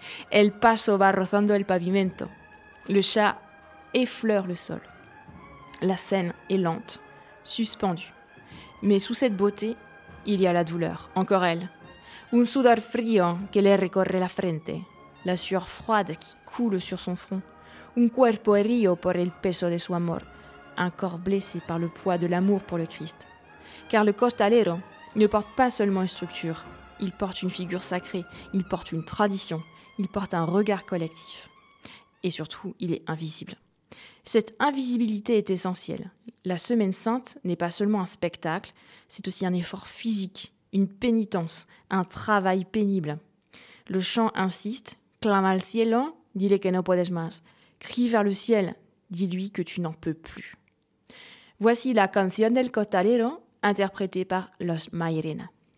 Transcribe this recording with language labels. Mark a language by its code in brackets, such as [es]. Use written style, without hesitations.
[es] El paso va rozando el pavimento. [fr] Le chat effleure le sol. La scène est lente, suspendue. Mais sous cette beauté, il y a la douleur, encore elle. [es] Un sudor frío que le recorre la frente. [fr] La sueur froide qui coule sur son front. [es] Un cuerpo herido por el peso de su amor. [fr] Un corps blessé par le poids de l'amour pour le Christ. Car le costalero ne porte pas seulement une structure. Il porte une figure sacrée. Il porte une tradition. Il porte un regard collectif. Et surtout, il est invisible. Cette invisibilité est essentielle. La Semaine Sainte n'est pas seulement un spectacle. C'est aussi un effort physique, une pénitence, un travail pénible. Le chant insiste. [es] Clama al cielo, dile que no puedes más. [fr] Crie vers le ciel, dis-lui que tu n'en peux plus. Voici la Canción del Costalero, interprétée par Los Mairena.